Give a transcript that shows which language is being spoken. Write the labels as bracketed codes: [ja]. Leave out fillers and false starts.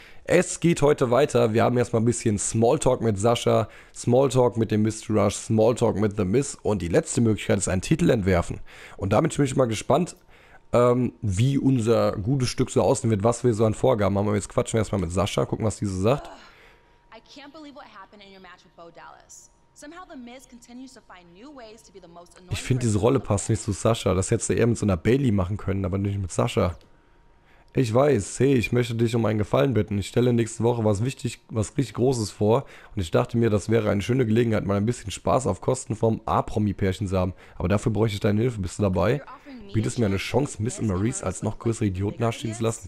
[de] Es geht heute weiter. Wir haben erstmal ein bisschen Smalltalk mit Sascha, Smalltalk mit dem Mr. Rush, Smalltalk mit The Miz und die letzte Möglichkeit ist ein Titel entwerfen. Und damit bin ich mal gespannt, wie unser gutes Stück so aussehen wird, was wir so an Vorgaben haben. Aber jetzt quatschen wir erstmal mit Sascha, gucken, was diese sagt. [en] I can't believe what happened in your match with Bo Dallas. Somehow the Miz continues to find new ways to be the most annoying [de] Ich finde, diese [en] person [de] Rolle passt nicht zu Sascha. Das hättest du eher mit so einer Bailey machen können, aber nicht mit Sascha. Ich weiß, hey, ich möchte dich um einen Gefallen bitten. Ich stelle nächste Woche was richtig Großes vor und ich dachte mir, das wäre eine schöne Gelegenheit, mal ein bisschen Spaß auf Kosten vom A-Promi-Pärchen zu haben. Aber dafür bräuchte ich deine Hilfe. Bist du dabei? Bietest mir eine Chance, Miss und Maryse als noch größere Idioten dastehen zu lassen?